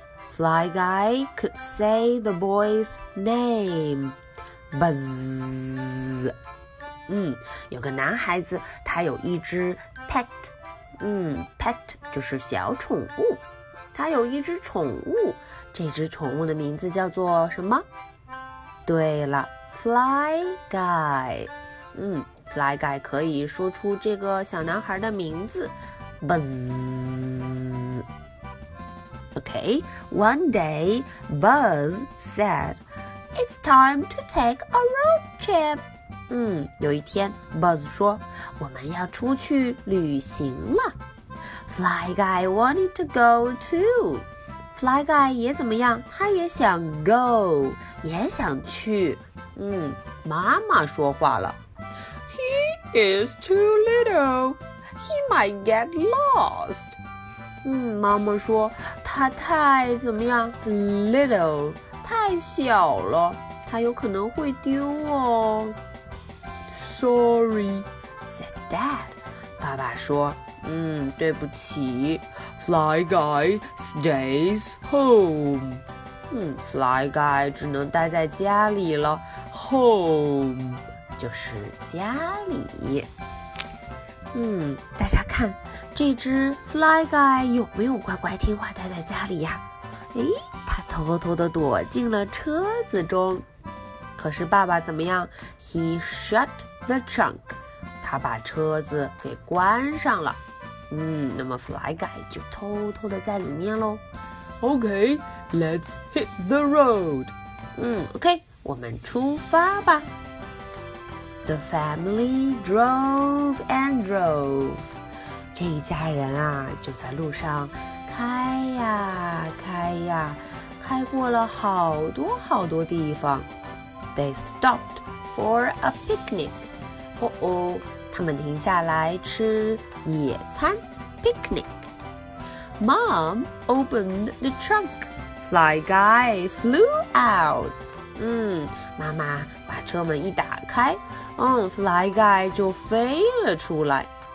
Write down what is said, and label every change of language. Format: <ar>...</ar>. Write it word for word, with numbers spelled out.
<en>Fly Guy could say the boy's name. Buzz.</en> <zh>嗯，有个男孩子，他有一只 pet， 嗯 ，pet 就是小宠物，他有一只宠物，这只宠物的名字叫做什么？对了 ，Fly Guy。嗯 ，Fly Guy 可以说出这个小男孩的名字 ，Buzz。</zh> <en>Okay, one day, Buzz said, "It's time to take a road trip."</en> <zh>嗯，有一天 Buzz 说，我们要出去旅行了。</zh> <en>Fly Guy wanted to go too.</en> <zh>Fly Guy 也怎么样？他也想 go， 也想去。嗯，妈妈说话了。</zh> <en>He is too little. He might get lost.</en> <zh>嗯，妈妈说他太怎么样 little 太小了，他有可能会丢哦。</zh> <en>Sorry, said Dad.</en> <zh>爸爸说，嗯，对不起。</zh> <en>Fly Guy stays home.</en> <zh>嗯 ，Fly Guy 只能待在家里了。 Home 就是家里。嗯，大家看这只 Fly Guy 有没有乖乖听话待在家里呀？诶，他偷偷地躲进了车子中。可是爸爸怎么样？</zh> <en>He shut the trunk，</en> <zh>他把车子给关上了。嗯，那么 Fly Guy 就偷偷地在里面咯。</zh> <en>OK, let's hit the road。 嗯 OK，</en> <zh>我们出发吧。</zh> <en>The family drove and drove.</en> <zh>这一家人啊，就在路上开呀开呀，开过了好多好多地方。</zh> <en>They stopped for a picnic.</en> <zh>哦哦，他们停下来吃野餐 picnic.</zh> <en>Mom opened the trunk. Fly Guy flew out.</en> <zh>嗯，妈妈把车门一打开。嗯 Fly Guy 就飞了出来。</zh>